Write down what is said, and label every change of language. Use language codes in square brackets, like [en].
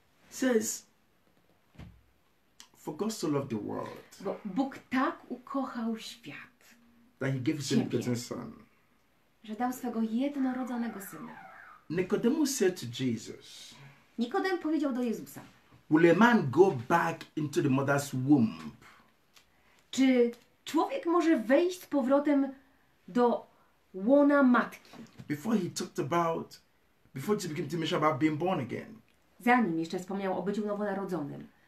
[en] Says, for God so loved the world. [pl] Bo Bóg tak ukochał świat. [en] That He gave His begotten Son. [pl] Że dał swego jednorodzonego Syna. [en] Nicodemus said to Jesus. [pl] Nikodem powiedział do Jezusa. [en] Will a man go back into the mother's womb? [pl] Czy człowiek może wejść z powrotem do łona matki? [en] Before he talked about, before he began to mention about being born again. [pl] Zanim jeszcze wspomniał o byciu nowonarodzonym.